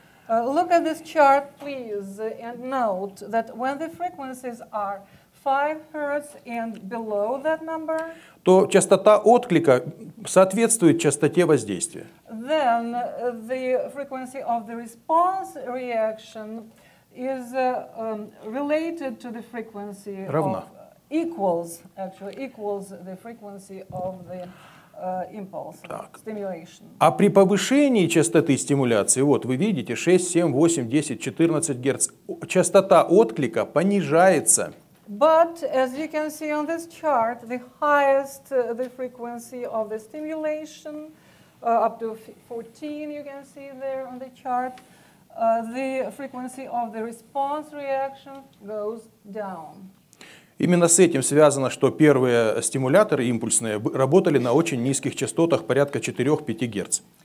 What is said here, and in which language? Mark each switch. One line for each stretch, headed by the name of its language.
English: Look at this chart, please, and note that when the frequencies are 5 Hz and below that number,
Russian: то частота отклика соответствует частоте воздействия.
English: Then the frequency of the response reaction is related to the frequency
Russian: равна.
English: Of, equals, actually, equals the frequency of the impulse,
Russian: так.
English: Stimulation.
Russian: А при повышении частоты стимуляции, вот вы видите, 6, 7, 8, 10, 14 Гц, частота отклика понижается.
English: But as you can see on this chart, the highest the frequency of the stimulation, up to 14, you can see there on the chart, the frequency of the response reaction goes down.
Russian: Именно с этим связано, что первые стимуляторы импульсные работали на очень низких частотах, порядка 4-5 Гц.